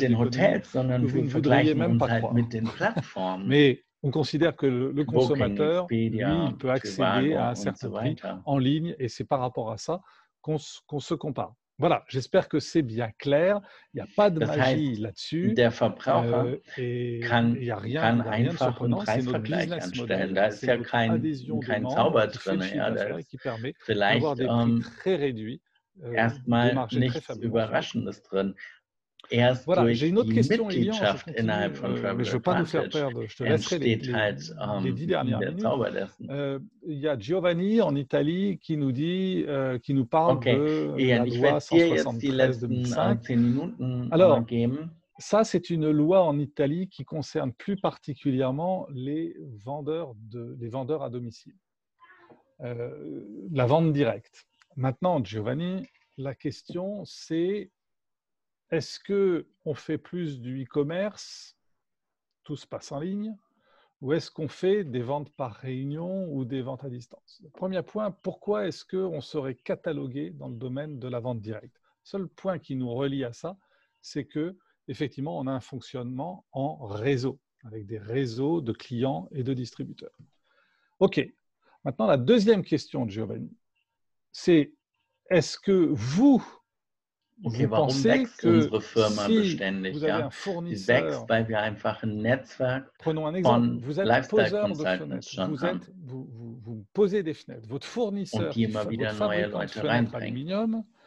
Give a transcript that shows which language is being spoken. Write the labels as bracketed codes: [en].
[fr] que vous ne voudriez même pas croire. Mais on considère que le consommateur, lui, il peut accéder à un certain prix en ligne, et c'est par rapport à ça qu'on se compare. Voilà, j'espère que c'est bien clair. Il n'y a pas de magie là-dessus. [de] Der Verbraucher kann einfach einen Preisvergleich anstellen. Da ist ja kein Zauber drin. Vielleicht erstmal nichts Überraschendes drin. Erst durch die Mitgliedschaft innerhalb von Travel Advantage entsteht halt der Zauber dessen. [fr] Il y a Giovanni en Italie qui nous dit, qui nous parle de la loi 173/2005. Alors, ça, c'est une loi en Italie qui concerne plus particulièrement les vendeurs à domicile, la vente directe. Maintenant, Giovanni, la question, c'est est-ce que on fait plus du e-commerce, tout se passe en ligne? Ou est-ce qu'on fait des ventes par réunion ou des ventes à distance? Premier point, pourquoi est-ce qu'on serait catalogué dans le domaine de la vente directe? Seul point qui nous relie à ça, c'est qu'effectivement, on a un fonctionnement en réseau, avec des réseaux de clients et de distributeurs. OK, maintenant la deuxième question, Giovanni, c'est est-ce que vous, [de] Okay, warum wächst unsere Firma beständig? Ja? Sie wächst, weil wir einfach ein Netzwerk von Lifestyle-Consultants schon haben. Und die immer wieder neue Leute reinbringen.